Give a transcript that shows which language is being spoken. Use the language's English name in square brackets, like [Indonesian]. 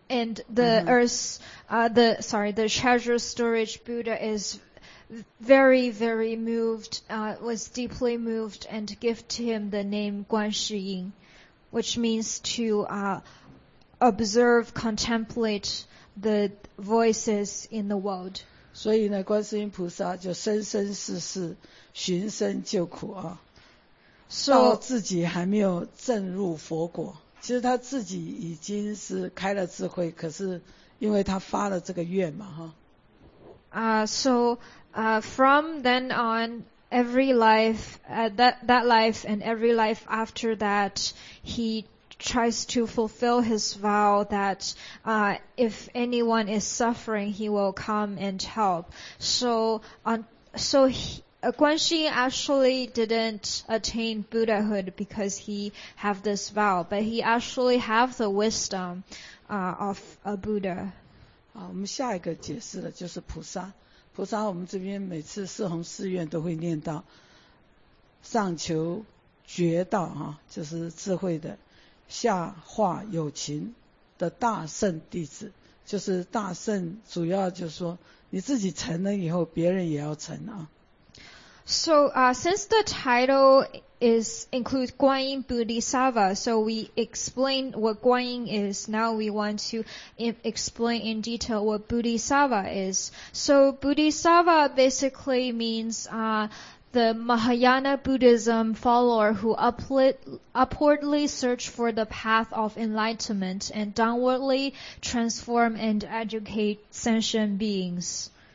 [English] And the earth, the treasure storage Buddha is very, very moved, was deeply moved and gave to him the name Guan Shi Yin, which means to, observe, contemplate the voices in the world. [Chinese] 所以呢，观世音菩萨就生生世世寻声救苦啊，到自己还没有证入佛果。其实他自己已经是开了智慧，可是因为他发了这个愿嘛，哈。 [English] From then on, every life that life and every life after that, he. Tries to fulfill his vow that if anyone is suffering, he will come and help. So Guan Shi actually didn't attain Buddhahood because he have this vow, but he actually have the wisdom of a Buddha. [Chinese] 好，我们下一个解释的就是菩萨。菩萨，我们这边每次四弘誓愿都会念到上求觉道啊，就是智慧的。下化有情的大圣弟子，就是大圣，主要就是说你自己成了以后，别人也要成啊。 [English] So since the title is include Guanyin Bodhisattva, so we explain what Guanyin is. Now we want to explain in detail what Bodhisattva is. So Bodhisattva basically means the Mahayana Buddhism follower who upwardly search for the path of enlightenment and downwardly transform and educate sentient beings.